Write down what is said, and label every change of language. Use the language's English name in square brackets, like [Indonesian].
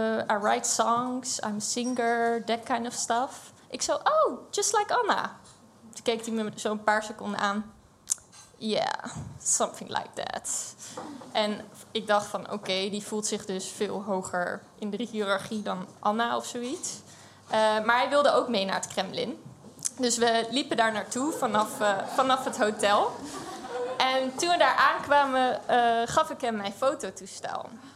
[English] I write songs, I'm a singer, that kind of stuff. [Dutch] Ik zo, [English] oh, just like Anna. [Dutch] Toen keek hij me zo een paar seconden aan. [English] Yeah, something like that. [Dutch] En ik dacht van, oké, die voelt zich dus veel hoger in de hiërarchie dan Anna of zoiets. Maar hij wilde ook mee naar het Kremlin. Dus we liepen daar naartoe vanaf het hotel. En toen we daar aankwamen, gaf ik hem mijn fototoestel.